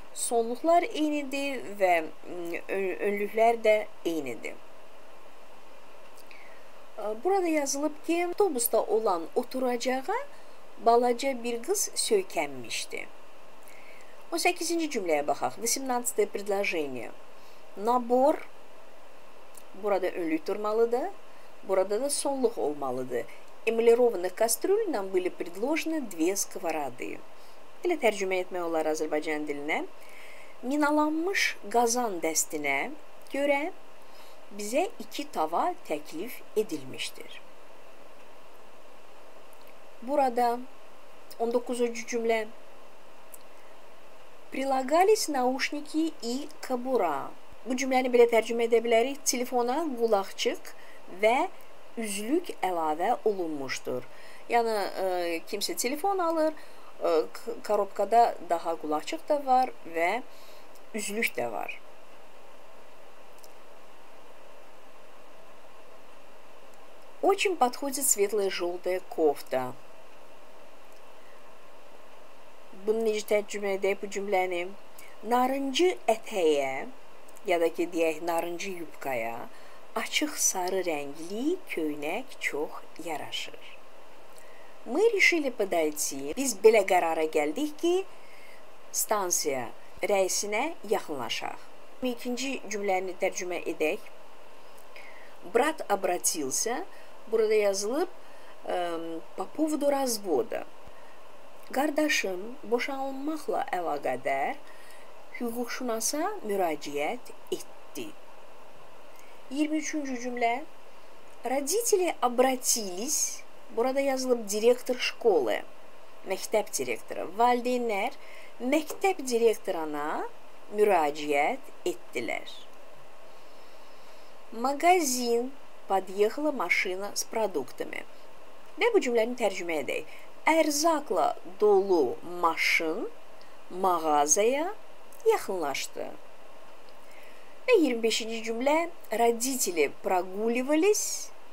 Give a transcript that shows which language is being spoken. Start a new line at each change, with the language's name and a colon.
Azerbaijani: Sonluqlar eynidir və önlüklər də eynidir. Burada yazılıb ki, avtobusda olan oturacağa balaca bir qız söykənmişdi. 18-ci cümləyə baxaq. 18-ci предложение.
Russian: Набор.
Azerbaijani: Burada önlük durmalıdır. Burada da sonluq olmalıdır.
Russian: Эмалированных кастрюль нам были предложены две сковороды.
Azerbaijani: Belə tərcümə etmək olar Azərbaycan dilinə. Minalanmış qazan dəstinə görə bizə iki tava təklif edilmişdir. Burada 19-cu cümlə.
Russian: Прилагались наушники и кобура.
Azerbaijani: Bu cümləni belə tərcümə edə bilərik. Telefona qulaqçıq və üzlük əlavə olunmuşdur. Yəni, kimsə telefon alır, korobkada daha qulaqçıq da var və üzlük də var.
Russian: Очень подходит светлая желтая кофта.
Azerbaijani: Bunu necə tərcümə edək bu cümləni? Narıncı ətəyə, ya da ki, deyək, narıncı yubkaya, açıq sarı rəngli köynək çox yaraşır.
Russian: Мы решили подойти.
Azerbaijani: Biz belə qərara gəldik ki, stansiya rəisinə yaxınlaşaq. 22-ci cümləni tərcümə edək.
Russian: Брат обратился.
Azerbaijani: Burada yazılıb,
Russian: по поводу развода.
Azerbaijani: Qardaşım boşanmaqla əlaqədar hüquqşünasa müraciət etdi. 23-cü cümlə.
Russian: Родители обратились.
Azerbaijani: Burada yazılıb direktor şkolı, məktəb direktoru. Valideynlər məktəb direktoruna müraciət etdilər.
Russian: Magazin подъехала машина с продуктами.
Azerbaijani: Və bu cümləni tərcümə edək. Ərzaqla dolu maşın mağazaya yaxınlaşdı. Və 25-ci cümlə.
Russian: Родители прогуливались.